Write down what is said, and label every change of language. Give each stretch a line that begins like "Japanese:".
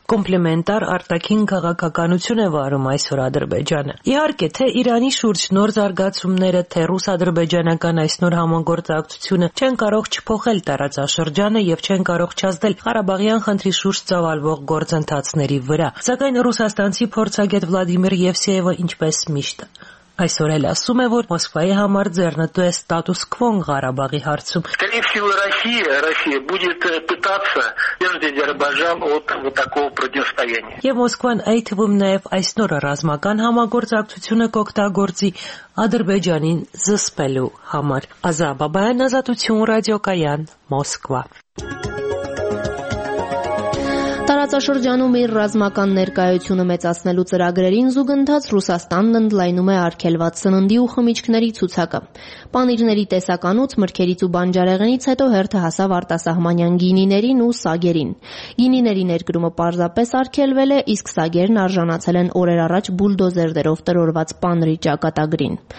Armenian: Կոմպլիմենտար արտաքին քաղաքականություն է վարում այսօր Ադրբեջանը։ Իհարկե, թե Իրանի շուրջ նոր զարգացումները, թե ռուս-ադրբեջանական այս նոր համագործակցությունը չեն կարող չփոխել տարածաշրջանը եւ չեն կարող չազդել Ղարաբաղյան խնդրի շուրջ ծավալվող գործընթացների վրա, սակայն ռուսաստանցի փորձագետ Վլադիմիր Եվսեևը, ինչպես միշտ, այսօր էլ ասում է, որ Մոսկվայի համար ձեռնտու է ստատուս քվոն Ղարաբաղի հարցում։
Russian: Россия будет пытаться держать Азербайджан от вот такого противостояния.
Armenian: Եվ Մոսկվան այդ թվում նաև այս նոր ռազմական համագործակցությունը կօգտագործի Ադրբեջանին զսպելու համար։ Ազա Բաբայան, Ազատություն ռադիոկայան, Մոսկվա։ Տարածաշրջանում իր ռազմական ներկայությունը մեծացնելու ծրագրերին զուգընթաց Ռուսաստանն ընդլայնում է արգելված սննդի ու խմիչքների ցուցակը։ Պանիրների տեսականուց, մրգերից ու բանջարեղենից հետո հերթը հասավ արտասահմանյան գինիներին ու սագերին։ Գինիների ներկրումը պարզապես արգելվել է, իսկ սագերն արժանացել են օրեր առաջ բուլդոզերներով տրորված պանրի ճակատագրին։